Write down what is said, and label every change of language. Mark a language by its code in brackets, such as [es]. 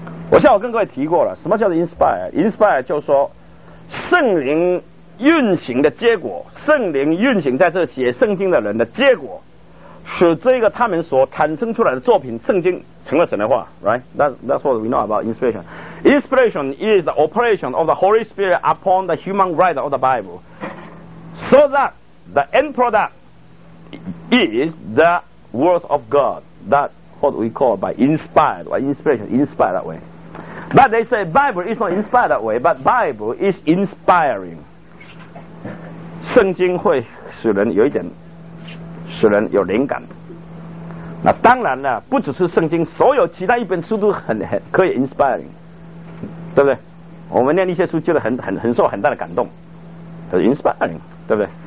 [zh] 我下午跟各位提过了什么叫做 inspire。 inspire 就是说圣灵运行的结果，圣灵运行在这写圣经的人的结果，使这个他们所产生出来的作品圣经成了神的话。 [en] right， that's what we know about inspiration。 inspiration is the operation of the Holy Spirit upon the human writer of the Bible so that the end product is the word of God。 that's what we call by inspired or inspiration, inspired that way。 but they say Bible is not inspired that way, but Bible is inspiring。 [zh] 圣经会使人有一点，使人有灵感。那当然了，不只是圣经，所有其他一本书都很可以 inspiring， 对不对？我们念一些书，觉得很受很大的感动，很 inspiring， 对不对？